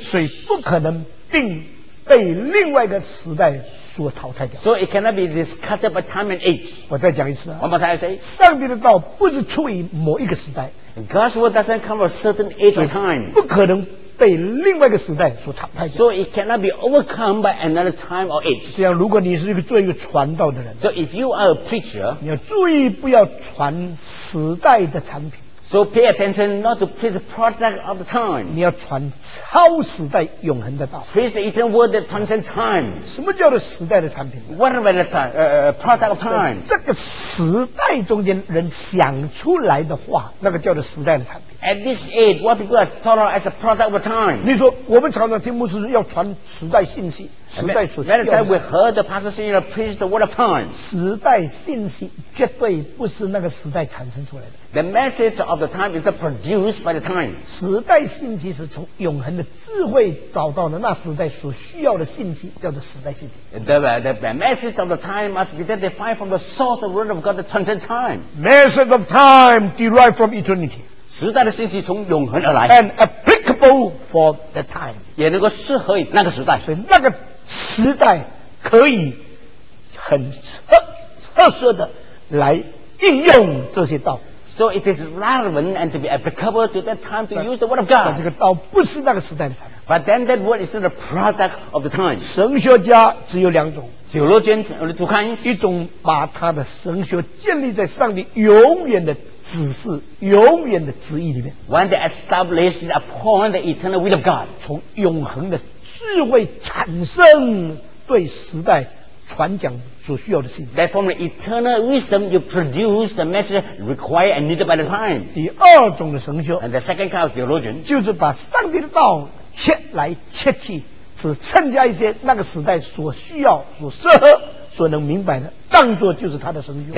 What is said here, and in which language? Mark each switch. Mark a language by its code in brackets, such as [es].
[zh] 所以不可能并被另外一个时代所淘汰掉。 [en] So it cannot be discarded by time and age. [zh] 我再讲一次啊。 [en] One more time I say. [zh] 上帝的道不是出于某一个时代。 [en] God's word doesn't come from a certain age or time. [zh] 不可能被另外一个时代所淘汰掉。 [en] So it cannot be overcome by another time or age. [zh] 这样，如果你是一个做一个传道的人， [en] So if you are a preacher, [zh] 你要注意不要传时代的产品。 [en] So pay attention not to preach the product of the time. [zh] 你要传超时代永恒的道。 [en] Preach the eternal word that transcends time. [zh] 什么叫做时代的产品？ [en] What about the product of time? [zh] 这个时代中间人想出来的话，那个叫做时代的产品。 [en] At this age, what people have thought of as a product of time. [zh] 你说我们常常听牧师要传时代信息，时代所需要的。 [en] Many times we heard the pastor saying to preach the word of time. [zh] 时代信息绝对不是那个时代产生出来的。 [en] The message of the time is produced by the time. [zh] 时代信息是从永恒的智慧找到的那时代所需要的信息，叫做时代信息。 [en] The message of the time must be identified from the source of the word of God that transcends time. Message of time derived from eternity. [zh] 时代的信息从永恒而来。 [en] And applicable for the time. [zh] 也能够适合于那个时代。所以那个时代可以很特色的来应用这些道。 [en] So it is relevant and to be applicable to that time to use the word of God. [zh] 但这个道不是那个时代的产品。 [en] But then that word is not a product of the time. [zh] 神学家只有两种。 [en] Theologians only two kinds. [zh] 一种把他的神学建立在上帝永远的指示、永远的旨意里面。 [en] When they establish it upon the eternal will of God. [zh] 从永恒的智慧产生对时代传讲所需要的信息。 [en] That from the eternal wisdom you produce the message required and needed by the time. [zh] 第二种的神学。 [en] And the second kind of theologian. [zh] 就是把上帝的道切来切去，只剩下一些那个时代所需要、所适合、所能明白的，当作就是他的神学。